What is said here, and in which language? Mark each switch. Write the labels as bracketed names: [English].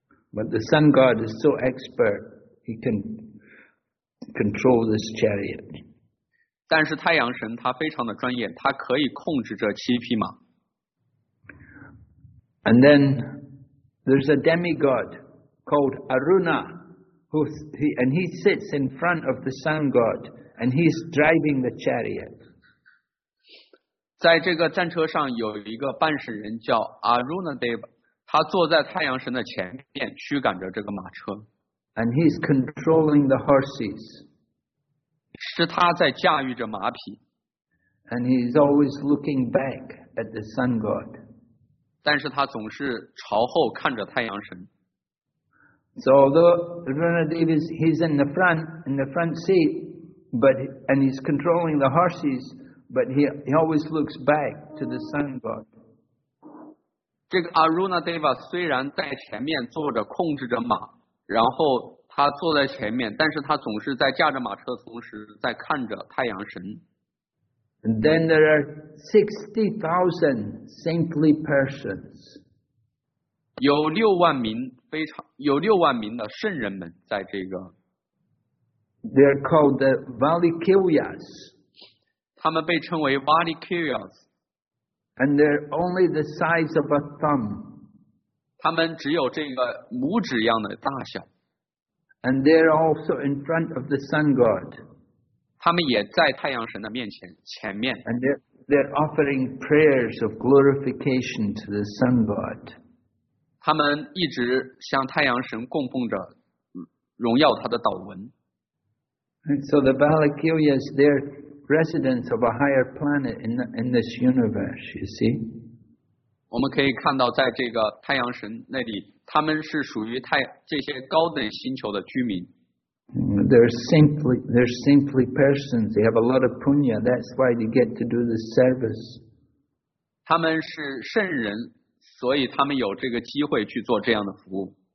[English] But the sun god is so expert, he can control this chariot. [Chinese] 但是太阳神他非常的专业，他可以控制这七匹马。 [English] And then there's a demigod called Aruna, who sits in front of the sun god, and he's driving the chariot. [Chinese] 在这个战车上有一个半神人叫 Aruna Deva. 他坐在太阳神的前面，驱赶着这个马车。 [English] And he's controlling the horses. [Chinese] 是他在驾驭着马匹。 [English] And he's always looking back at the sun god. [Chinese] 但是他总是朝后看着太阳神。 [English] So although Aruna Deva is in the front seat, and he's controlling the horses, but he always looks back to the sun god. [Chinese] 这个 Aruna Deva 虽然在前面坐着控制着马，然后他坐在前面，但是他总是在驾着马车，同时在看着太阳神。 [English] And then there are 60,000 saintly persons. [Chinese] 有六万名的圣人们在这个。 [English] They are called the Valikiryas. [Chinese] 他们被称为 Valikiryas. [English] And they're only the size of a thumb. [Chinese] 他们只有这个拇指一样的大小。 [English] And they're also in front of the sun god. [Chinese] 他们也在太阳神的面前，前面。 [English] And they're offering prayers of glorification to the sun god. [Chinese] 他们一直向太阳神供奉着，荣耀他的祷文。 [English] And so the Valakiryas, they're... residents of a higher planet in this universe, you see. [Chinese] 我们可以看到，在这个太阳神那里，他们是属于这些高等星球的居民。 [English] they're simply persons. They have a lot of punya. That's why they get to do the service. [Chinese] 他们是圣人，所以他们有这个机会去做这样的服务。